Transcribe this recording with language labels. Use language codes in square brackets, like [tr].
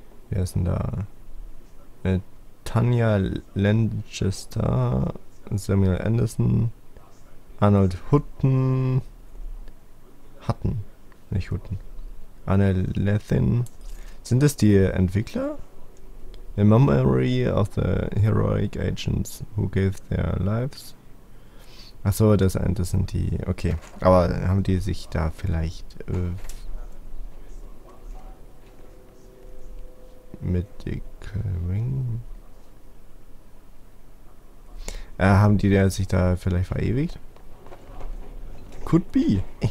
[de] Wer ist denn da? Tanya Lanchester, Samuel Anderson, Arnold Hutton. Anne Lethin. Sind das die Entwickler? [en] In memory of the heroic agents who gave their lives. [de] Achso, das sind die. Okay. Aber haben die sich da vielleicht Medical Wing? Haben die der sich da vielleicht verewigt? [en] Could be.